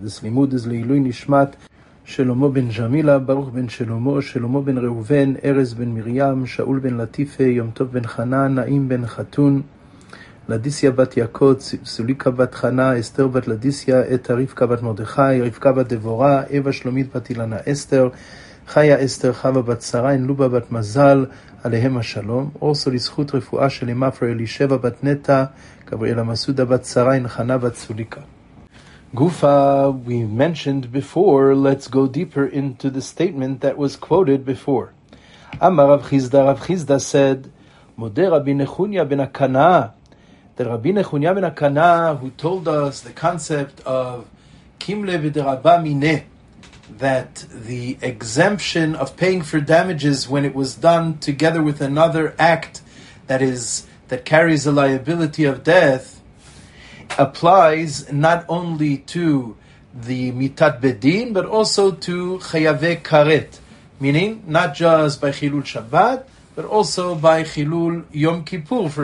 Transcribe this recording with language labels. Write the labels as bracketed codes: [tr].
[en] This Limud is Leilui Nishmat, Shelomo ben Jamila, Baruch ben Shelomo, Shelomo ben Reuven, Erez ben Miriam, Shaul ben Latife, Yom Tov ben Chana, Naim ben Chatun, Ladisya bat Yakot, Sulika bat Chana, Esther bat Ladisya, Et Rivka bat Mordechai, Rivka bat Devora, Eva Shlomit bat Ilana Esther, חיה אסתר חווה בת שרה, אין לובה בת מזל, [he] עליהם השלום. אורסו לזכות רפואה של אמא פרי אלישבע בת נטע, גבריאלה מסודה בת שרה, אין חנה בת סוליקה. [en] גופה, we mentioned before, let's go deeper into the statement that was quoted before. [he] אמר רב חיסדא said, מודה רבי נחוניה בן הקנה. [en] The רבי נחוניה בן הקנה, who told us the concept of קימלה ודרבה מיניה. That the exemption of paying for damages when it was done together with another act that carries a liability of death applies not only to the mitat bedin but also to chayave karet, meaning not just by chilul Shabbat but also by chilul Yom Kippur.